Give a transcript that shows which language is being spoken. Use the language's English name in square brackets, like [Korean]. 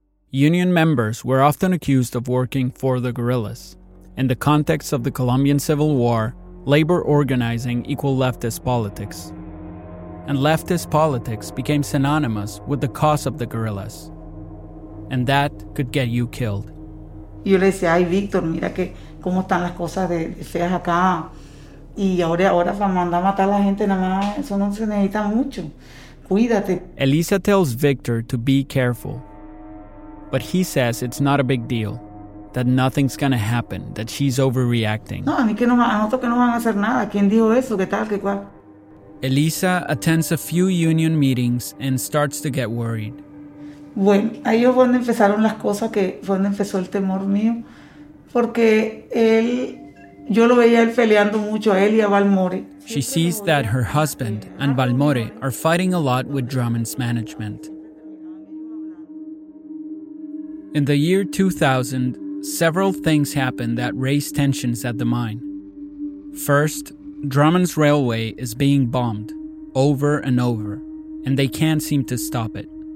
[English] Union members were often accused of working for the guerrillas. In the context of the Colombian Civil War, labor organizing equaled leftist politics. And leftist politics became synonymous with the cause of the guerrillas. And that could get you killed. [Spanish] Yo le decía, ay, Víctor, mira que cómo están las cosas de feas acá. Y ahora para mandar a matar a la gente nada más, eso no se necesita mucho. Cuídate. [English] Elisa tells Víctor to be careful. But he says it's not a big deal, that nothing's going to happen, that she's overreacting. [Spanish] No, a mí que no, a nosotros que no van a hacer nada. ¿Quién dijo eso? ¿Qué tal? ¿Qué cual? [English] Elisa attends a few union meetings and starts to get worried. [Spanish] Bueno, ahí fue donde empezaron las cosas, que fue donde empezó el temor mío. Porque él, yo lo veía él peleando mucho, a él y a Balmore. [English] She sees that her husband and Balmore are fighting a lot with Drummond's management. In the year 2000, several things happened that raised tensions at the mine. First, Drummond's railway is being bombed over and over, and they can't seem to stop it.